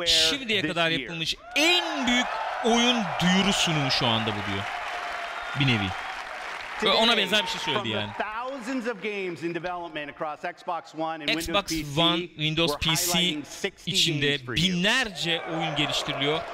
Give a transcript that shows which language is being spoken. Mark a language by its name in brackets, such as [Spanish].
[Turkish] Şimdiye kadar yapılmış en büyük oyun duyuru sunumu şu anda bu diyor. Bir nevi. Ve ona benzer bir şey söyledi yani. [English] Thousands of games in development across Xbox One and [Turkish] Xbox One, Windows PC içinde binlerce oyun geliştiriliyor.